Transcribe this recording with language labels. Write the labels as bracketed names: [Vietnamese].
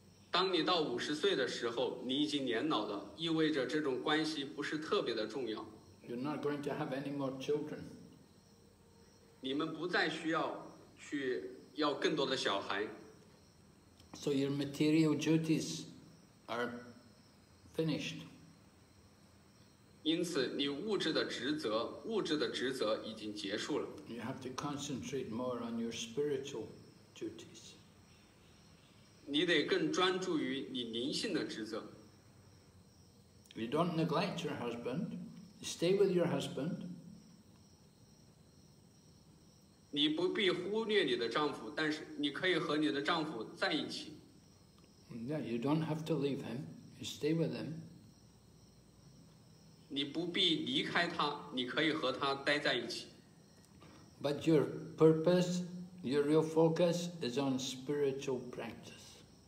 [Chinese] 当你到五十岁的时候，你已经年老了，意味着这种关系不是特别的重要。 [English] You're not going to have any more children. [Chinese] 你们不再需要去要更多的小孩。 [English] So your material duties are finished. [Chinese] 因此你物质的职责已经结束了。 [English] You have to concentrate more on your spiritual duties. [Chinese] 你得更专注于你灵性的职责。 [English] You don't neglect your husband. You stay with your husband. [Chinese] 你不必忽略你的丈夫，但是你可以和你的丈夫在一起。 [English] Yeah, you don't have to leave him. You stay with him. [Chinese] 你不必离开他，你可以和他待在一起。 [English] But your purpose, your real focus is on spiritual practice.